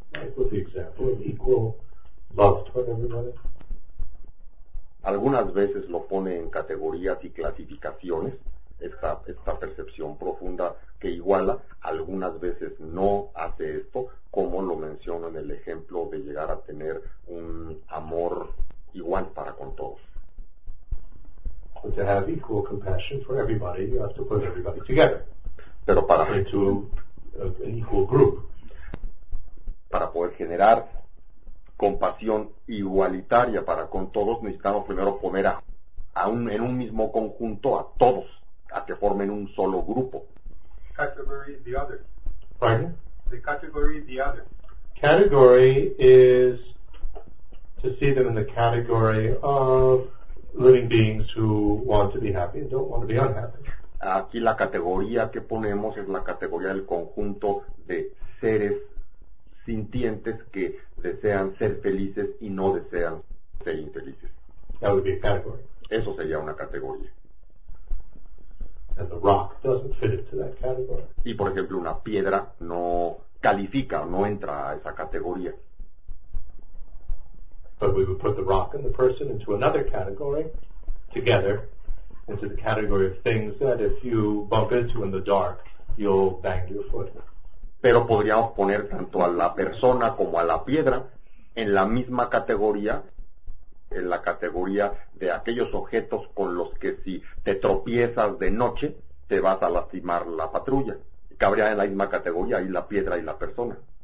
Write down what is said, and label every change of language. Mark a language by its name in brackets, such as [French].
[English] Like with the example of equal love toward everybody. [Spanish] Algunas veces lo pone en categorías y clasificaciones, esta percepción profunda que iguala, algunas veces no hace esto, como lo menciono en el ejemplo de llegar a tener un amor igual para con todos. [English] But to have equal compassion for everybody, you have to put everybody together. [Spanish] Pero para [English] into an equal group. [Spanish] Para poder generar compasión igualitaria para con todos, necesitamos primero poner en un mismo conjunto a todos, a que formen un solo grupo. [English] Category the other. Pardon? The category the other. Category is to see them in the category of living beings who want to be happy and don't want to be unhappy. [Spanish] Aquí la categoría que ponemos es la categoría del conjunto de seres sintientes que desean ser felices y no desean ser infelices. [English] That would be a category. [Spanish] Eso sería una categoría. [English] And the rock doesn't fit into that category. [Spanish] Y por ejemplo, una piedra no califica, no entra a esa categoría. [English] But we would put the rock and the person into another category together, into the category of things that if you bump into in the dark, you'll bang your foot. [Spanish] Pero podríamos poner tanto a la persona como a la piedra en la misma categoría, en la categoría de aquellos objetos con los que si te tropiezas de noche, te vas a lastimar la patrulla. Cabría en la misma categoría ahí la piedra y la persona.